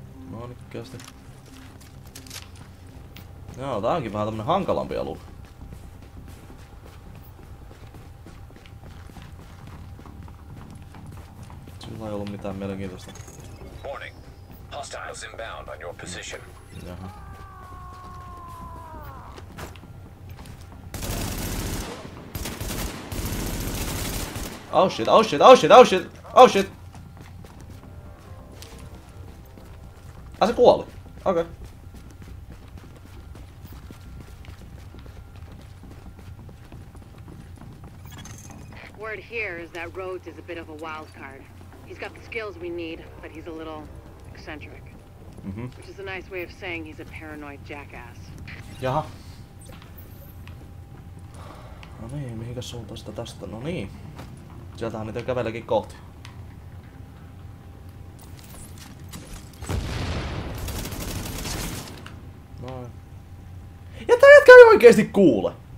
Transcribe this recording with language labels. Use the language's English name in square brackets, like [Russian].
[Finnish] No niin, kästi. Joo, tää onkin vähän tämmönen hankalampi alue. Sillä ei ollut mitään mielenkiintoista. [English] Warning. Hostiles inbound on your position. [Finnish] Jaha. [English] Oh shit. [Finnish] Ah, se kuoli. Okei. [English] Okay. Word here is that Rhodes is a bit of a wild card. He's got the skills we need, but he's a little eccentric. Mm-hmm. Which is a nice way of saying he's a paranoid jackass. [Finnish] Jaha. niin, mihinkä suuntaan sitä tästä? No niin. Sieltähän niitä kävelekin kohti. Noin. Ja tää jätkä ei oikeesti kuule!